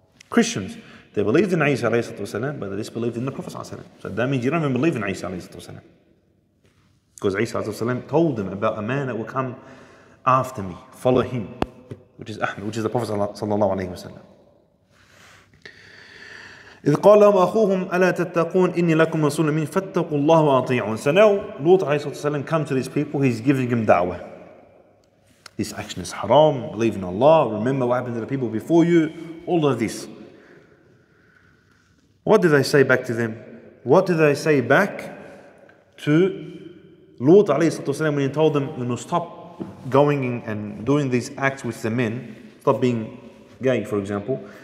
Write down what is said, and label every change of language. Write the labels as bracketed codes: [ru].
[en] Christians, they believed in Isa, alayhi salatu wasalam, but they disbelieved in the Prophet, sallallahu alayhi salam. So that means you don't even believe in Isa, alayhi salatu wasalam. Because Isa, alayhi salam, told them about a man that will come after me, follow him, which is Ahmed, which is the Prophet, sallallahu alayhi wasalam. [ar] إذ قال لهم أخوهم ألا تتقون إني لكم رسول أمين فاتقوا الله وأطيعون. [en] So now Lut عليه الصلاة والسلام come to these people, he's giving them da'wah. This action is haram, believe in Allah, remember what happened to the people before you, all of this. What did they say back to them? What did they say back to Lut عليه الصلاة والسلام when he told them, you know, stop going and doing these acts with the men, stop being gay, for example.